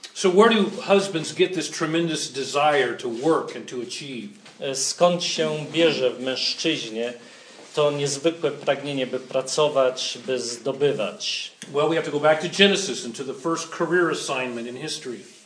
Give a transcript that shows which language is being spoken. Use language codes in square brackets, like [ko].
[en] So where do husbands get this tremendous desire to work and to achieve? [pl] Skąd się bierze w mężczyźnie to niezwykłe pragnienie, by pracować, by zdobywać? [en] Well, we have to go back to Genesis and to the first career assignment in history.